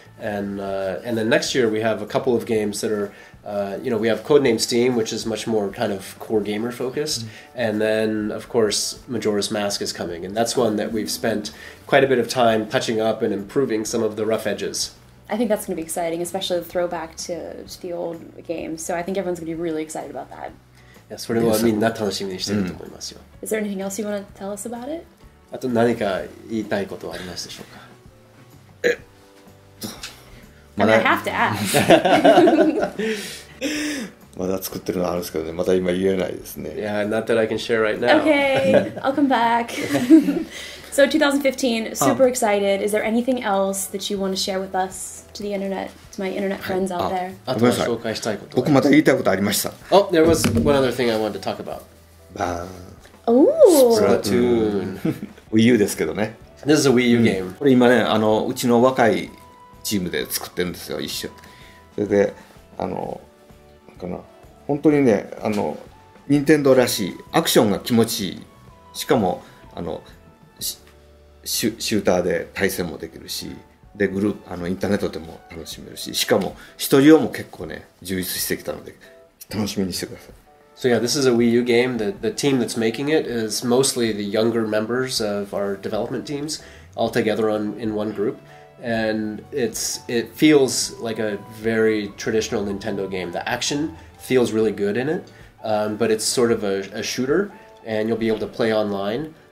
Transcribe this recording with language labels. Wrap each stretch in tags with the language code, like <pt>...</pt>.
<en>And then next year we have a couple of games that are you know, we have Codename Steam, which is much more kind of core gamer focused. Mm-hmm. And then, of course, Majora's Mask is coming. And that's one that we've spent quite a bit of time touching up and improving some of the rough edges. I think that's going to be exciting, especially the throwback to the old games. So I think everyone's going to be really excited about that.</en> <ja>Yes, それはみんな楽しみにしてると思いますよ。</ja> <en>Is there anything else you want to tell us about it?</en> <ja>あと何か言いたいことはありますでしょうか？</ja> <en>And、I have to ask.</en> <ja>まだ作ってるのあるんですけどね。また今言えないですね。</ja> <en>Yeah, not that I can share right now. Okay, I'll come back. So 2015, super excited. Is there anything else that you want to share with us to the internet, to my internet friends out there?</en> <ja>あとは紹介したいこと。僕また言いたいことありました。</ja> <en>Oh, there was one other thing I wanted to talk about.</en> <ja>バーン。</ja> <en>Splatoon.</en> <ja>Wii U ですけどね。</ja> <en>This is a Wii U game.</en> <ja>これ今ね、あのうちの若いチームで作ってるんですよ、一緒。それで、あの、なんかな、本当にね、あの、任天堂らしい、アクションが気持ちいい。しかも、あの、シューターで対戦もできるし、で、グループ、あの、インターネットでも楽しめるし、しかも、一人用も結構ね、充実してきたので、楽しみにしてください。</ja> <en>So yeah, this is a Wii U game. The team that's making it is mostly the younger members of our development teams, all together on, in one group. And it feels like a very traditional Nintendo game. The action feels really good in it, but it's sort of a shooter, and you'll be able to play online.</en>